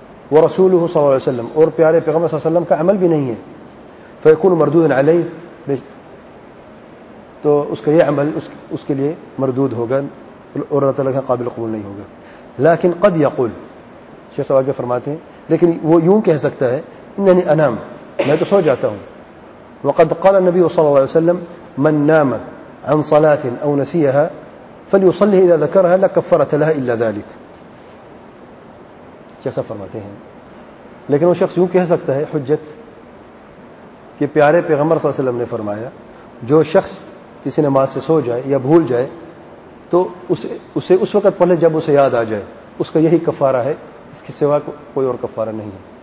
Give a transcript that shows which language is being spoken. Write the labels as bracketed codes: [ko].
[ur] وہ رسول صلی اللہ علیہ وسلم اور پیارے پیغمبر صلی اللہ علیہ وسلم کا عمل بھی نہیں ہے, [ar] فیکون مردود علیہ, [ur] تو اس کا یہ عمل اس کے لیے مردود ہوگا اور اللہ تعالیٰ کا قابل قبول نہیں ہوگا. لیکن [ar] قد یقول, [ur] شیخ صاحب آگے فرماتے ہیں لیکن وہ یوں کہہ سکتا ہے [ar] انني انام, [ur] میں تو سو جاتا ہوں. [ar] وقد قال النبي صلى الله عليه وسلم من نام عن صلاة أو نسيها فليصلي إذا ذكرها لا كفارة لها إلا ذلك. [ur] شخص فرماتے ہیں لیکن وہ شخص یوں کہہ سکتا ہے حجت کہ پیارے پیغمبر صلی اللہ علیہ وسلم نے فرمایا جو شخص کسی نماز سے سو جائے یا بھول جائے تو اسے اس وقت پڑھ لے جب اسے یاد آ جائے, اس کا یہی کفارہ ہے, اس کے سوا کوئی اور کفارہ نہیں ہے.